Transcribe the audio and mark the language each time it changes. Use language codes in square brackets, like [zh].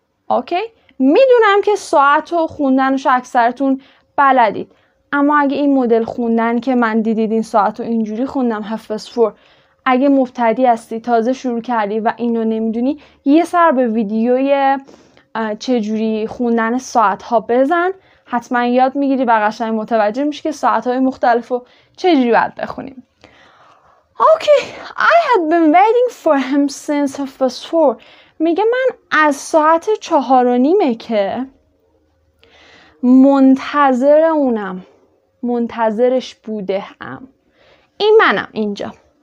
[fa] اوکی؟ میدونم که ساعت و خوندنش اکثرتون بلدید، اما اگه این مدل خوندن که من دیدید این ساعت رو اینجوری خوندم 7:04، اگه مبتدی هستی، تازه شروع کردی و اینو نمیدونی، یه سر به ویدیوی چجوری خوندن ساعتها بزن، حتما یاد میگیری و قشنگ متوجه میشی که ساعتهای مختلف رو چجوری باید بخونیم. [en] Okay. I had been waiting for him since 4:30. [fa] میگه من از ساعت 4:30 که منتظر اونم، منتظرش بوده هم. این منم اینجا.